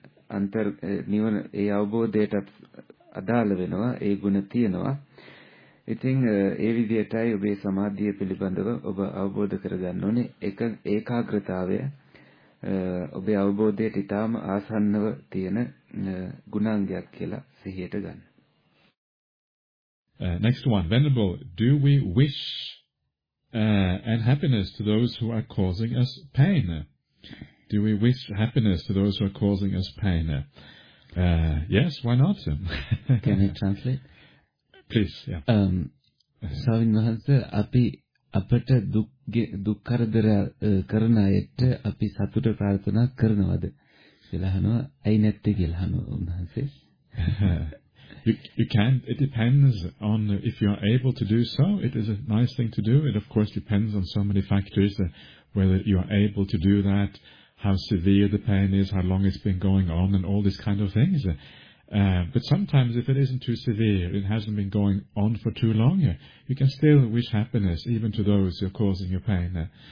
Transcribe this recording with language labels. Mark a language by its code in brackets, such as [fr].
[si] අන්තර් නිවන ඒ අවබෝධයට අදාළ වෙනවා ඒ ගුණ තියෙනවා ඉතින් ඒ විදිහටයි ඔබේ සමාධිය පිළිබඳව ඔබ අවබෝධ කරගන්න ඕනේ එක ඒකාග්‍රතාවය ඔබේ අවබෝධයට ඉතාම ආසන්නව තියෙන ගුණාංගයක් කියලා සිහියට ගන්න. [en] Next one, Venerable, do we wish and happiness to those who are causing us pain? Do we wish happiness to those who are causing us pain? Yes, why not? Can you translate? Please, yeah. [si] ස්වාමීන් වහන්සේ අපි අපට දුක් කරදර කරන අයට අපි සතුට ප්‍රාර්ථනා කරනවද කියලා අහනවා ඇයි නැත්තේ කියලා අහනවා උන්වහන්සේ [en] You can, it depends on if you are able to do so. It is a nice thing to do. It of course depends on so many factors, whether you are able to do that, how severe the pain is, how long it's been going on, and all these kind of things. But sometimes if it isn't too severe, it hasn't been going on for too long, you can still wish happiness even to those who are causing you pain.